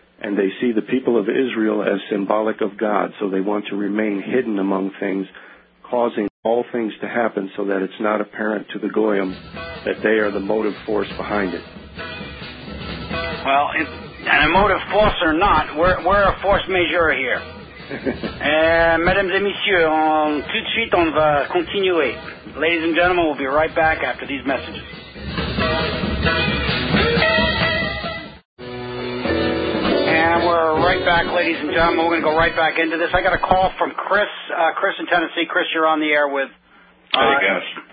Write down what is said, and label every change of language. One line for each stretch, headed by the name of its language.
English: And they see the people of Israel as symbolic of God, so they want to remain hidden among things, causing all things to happen so that it's not apparent to the goyim that they are the motive force behind it. Well, and a motive force or not, we're a force majeure here.
French: Mesdames et messieurs, tout de suite on va continuer.
English: Ladies and gentlemen, we'll be right back after these messages. And we're right back, ladies and gentlemen. We're going to go right back into this. I got a call from Chris. Chris in Tennessee. Chris, you're on the air with... Hey, guys.